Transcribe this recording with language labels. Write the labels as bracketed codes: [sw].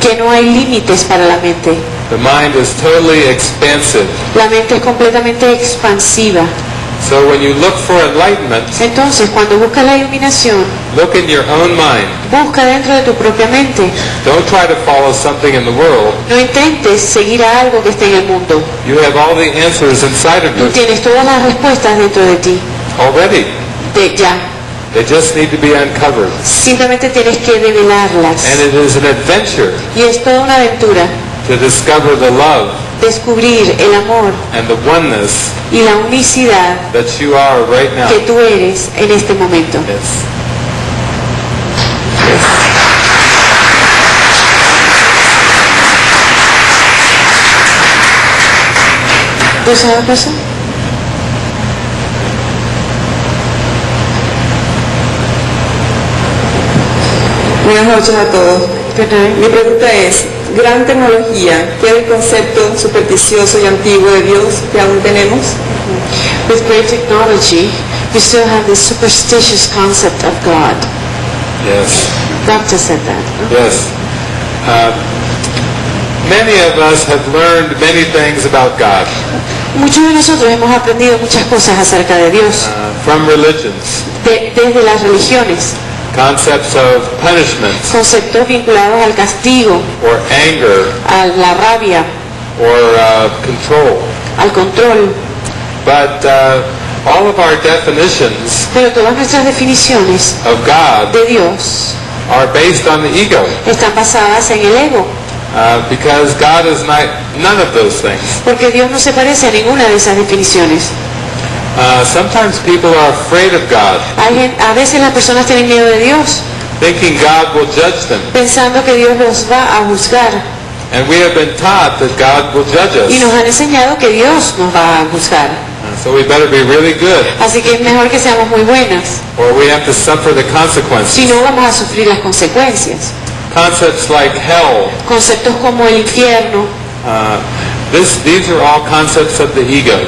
[es] Que no hay límites para la mente. [en] The mind is totally expansive. [es] La mente es completamente expansiva. [en] So when you look for enlightenment, [es] entonces cuando buscas la iluminación, [en] look in your own mind. [es] Busca dentro de tu propia mente. [en] Don't try to follow something in the world. [es] No intentes seguir a algo que esté en el mundo. [en] You have all the answers inside of you. [es] Tú tienes todas las respuestas dentro de ti. [en] Already. [es] De ya. [en] They just need to be uncovered. [es] Simplemente tienes que revelarlas. [en] And it is an adventure. [es] Y es toda una aventura. [en] To discover the love. [es] Descubrir el amor [en] and the oneness [es] y la unicidad [en] that you are right now. [es] Que tú eres en este momento. [en] Yes. [es] Yes. ¿Tú sabes eso? Buenas noches a todos. Mi pregunta es, gran tecnología, ¿qué es el concepto supersticioso y antiguo de Dios que aún tenemos? [en] With great technology, we still have this superstitious concept of God. Yes. Doctor said that. Yes. Many of us have learned many things about God. [es] Muchos de nosotros hemos aprendido muchas cosas acerca de Dios. [en] From religions. [es] Desde las religiones. [en] Concepts of punishment. [es] Conceptos vinculados al castigo. [en] Or anger. [es] A la rabia. [en] Or control. [es] Al control. [en] But all of our definitions. [es] Pero todas nuestras definiciones. [en] Of God. [es] De Dios. [en] Are based on the ego. [es] Están basadas en el ego. [en] Because God is not none of those things. [es] Porque Dios no se parece a ninguna de esas definiciones. [en] Sometimes people are afraid of God. [es] A veces las personas tienen miedo de Dios. [en] Thinking God will judge them. [es] Pensando que Dios los va a juzgar. [en] And we have been taught that God will judge us. [es] Y nos han enseñado que Dios nos va a juzgar. [en] So we better be really good. [es] Así que es mejor que seamos muy buenas. [en] Or we have to suffer the consequences. [es] Si no, vamos a sufrir las consecuencias. [en] Concepts like hell. [es] Conceptos como el infierno. [en] These are all concepts of the ego.